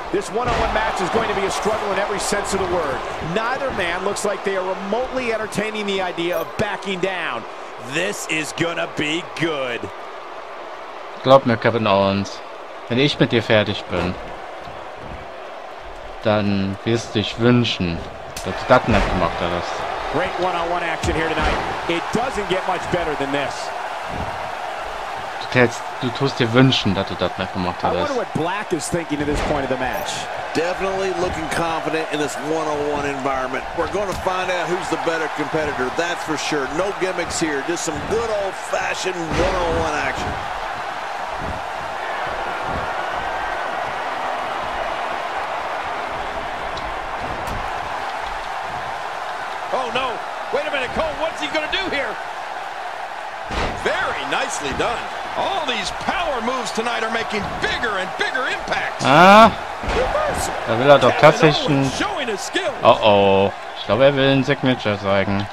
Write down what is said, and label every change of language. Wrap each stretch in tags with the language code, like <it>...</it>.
<en>This one-on-one match is going to be a struggle in every sense of the word. Neither man looks like they are remotely entertaining the idea of backing down. This is gonna be good.</en> <de>Glaub mir, Kevin Owens, wenn ich mit dir fertig bin, dann wirst du dich wünschen, dass du das nicht gemacht hast.</de> <en>Great one-on-one action here tonight. It doesn't get much better than this.</en> <de>Du tust dir wünschen, dass du das nicht gemacht hast.</de> <en>I wonder what Black is thinking at this point of the match. Definitely looking confident in this one-on-one environment. We're going to find out who's the better competitor, that's for sure. No gimmicks here, just some good old-fashioned one-on-one action. Oh no, wait a minute, Cole, what's he gonna do here? Very nicely done. All these power moves tonight are making bigger and bigger impacts.</en> <de>Ah, da will er doch tatsächlich ein... Oh, ich glaube, er will ein Signature zeigen.</de>